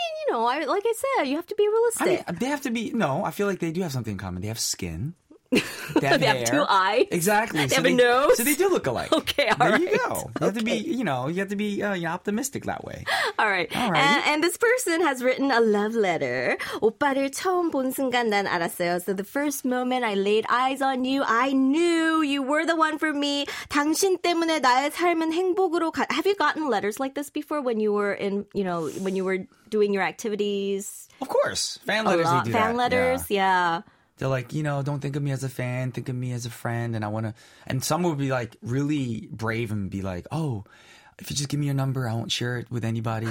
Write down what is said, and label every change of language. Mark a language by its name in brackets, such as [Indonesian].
[English] No, like I said, you have to be realistic. I mean, they have to be. No, I feel like they do have something in common. They have skin. They have, they have two eyes. Exactly. They have a nose. So they do look alike. Okay, all there right. There you go. You okay. have to be, you know, you have to be optimistic that way. All right. All right. And this person has written a love letter. [Korean] 오빠를 처음 본 순간 난 알았어요. [English] So the first moment I laid eyes on you, I knew you were the one for me. [Korean] 당신 때문에 나의 삶은 행복으로 가. [English] Have you gotten letters like this before when you were in, you know, when you were doing your activities? Of course. Fan letters, they do fan Letters, yeah. They're like, you know, don't think of me as a fan. Think of me as a friend. And I want to. And some would be like really brave and be like, oh, if you just give me your number, I won't share it with anybody.